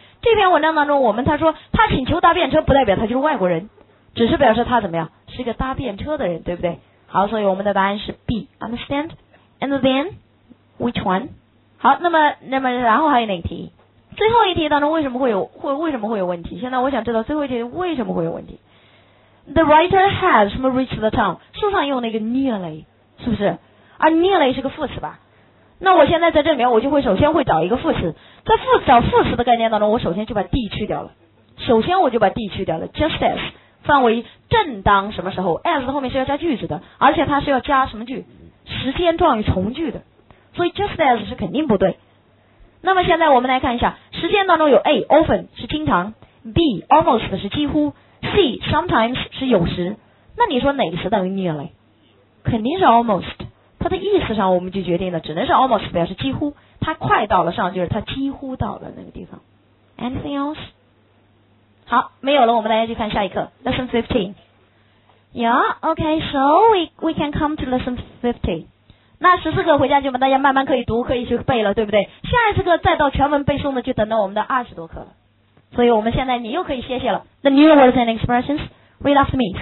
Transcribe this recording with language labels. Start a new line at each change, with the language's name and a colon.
Chinese: 这篇文章当中我们他说他请求搭便车不代表他就是外国人，只是表示他怎么样，是个搭便车的人，对不对？好，所以我们的答案是 B， understand。
English: And thenWhich one？
Chinese: 好，那么然后还有哪题？最后一题当中为什么会有问题？现在我想知道最后一题为什么会有问题。
English: The writer has reached the town，
Chinese: 书上用那个
English: nearly，
Chinese: 是不是？而 nearly 是个副词吧？那我现在在这里面我就会首先会找一个副词，在副找副词的概念当中，我首先就把 D 去掉了，首先我就把 D 去掉了。 Just as 范围正当什么时候， as 后面是要加句子的，而且它是要加什么句？时间状语从句的，所以 just as 是肯定不对。那么现在我们来看一下，实践当中有 A often 是经常， B almost 是几乎， C sometimes 是有时。那你说哪个词等于 nearly？ 肯定是 almost， 它的意思上我们就决定了只能是 almost， 表示几乎，它快到了，上就是它几乎到了那个地方。
English: Anything else？
Chinese: 好，没有了，我们大家去看下一课 Lesson 15。
English: Yeah OK， so we can come to Lesson 15。
Chinese: 那十四课回家就把大家慢慢可以读可以去背了，对不对？下一次课再到全文背诵的就等到我们的二十多课了，所以我们现在你又可以歇歇了。
English: The new words and expressions read after me.